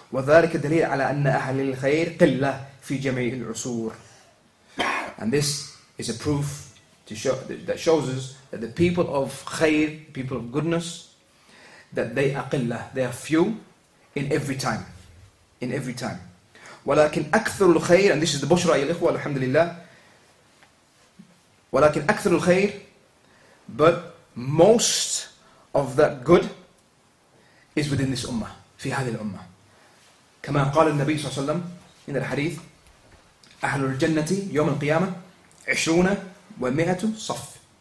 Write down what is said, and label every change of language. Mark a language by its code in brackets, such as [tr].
[ar] وذلك دليل على أن أهل الخير قلة في جميع العصور. [en] And this is a proof to show, that shows us that the people of khair, people of goodness, that they are قلة, they are few in every time, in every time. [ar] ولكن أكثر الخير, [en] and this is the [ar] بشرى يا إخوة, الحمد لله. ولكن أكثر الخير, [en] but most of that good is within this ummah, [ar] في هذه الأمة. كما قال النبي صلى الله عليه وسلم [en] in the hadith, [ar] أهل الجنة يوم القيامة 20 و100 صف.